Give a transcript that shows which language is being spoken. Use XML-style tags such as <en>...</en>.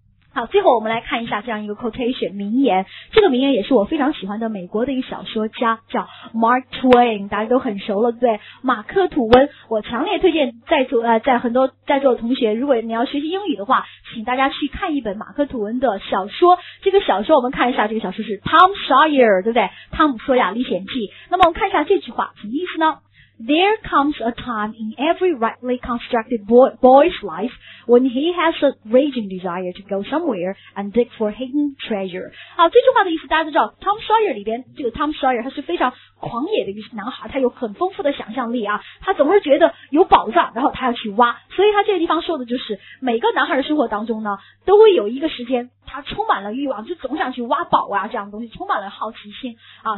<zh>好，最后我们来看一下这样一个 quotation 名言，这个名言也是我非常喜欢的美国的一个小说家，叫 Mark Twain， 大家都很熟了，对，马克吐温。我强烈推荐在很多在座的同学，如果你要学习英语的话，请大家去看一本马克吐温的小说。这个小说我们看一下，这个小说是 Tom Sawyer， 对不对？汤姆·索亚历险记。那么我们看一下这句话什么意思呢？</zh> <en>There comes a time in every rightly constructed boy's life when he has a raging desire to go somewhere and dig for hidden treasure。</en> <zh>好，这句话的意思大家都知道， Tom Sawyer 里边这个 Tom Sawyer 他是非常狂野的一个男孩，他有很丰富的想象力啊，他总是觉得有宝藏然后他要去挖，所以他这个地方说的就是每个男孩的生活当中呢都会有一个时间他充满了欲望，就总想去挖宝啊，这样的东西充满了好奇心啊。</zh>